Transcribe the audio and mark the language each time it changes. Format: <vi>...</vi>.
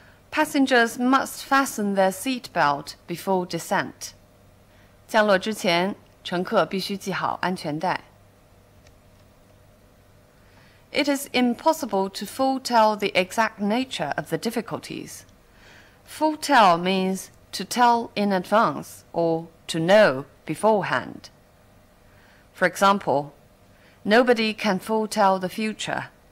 <en>Passengers must fasten their seat belt before descent.</en> <zh>降落之前，乘客必须系好安全带。</zh> <en>It is impossible to foretell the exact nature of the difficulties. Foretell means to tell in advance or to know beforehand. For example, nobody can foretell the future.</en>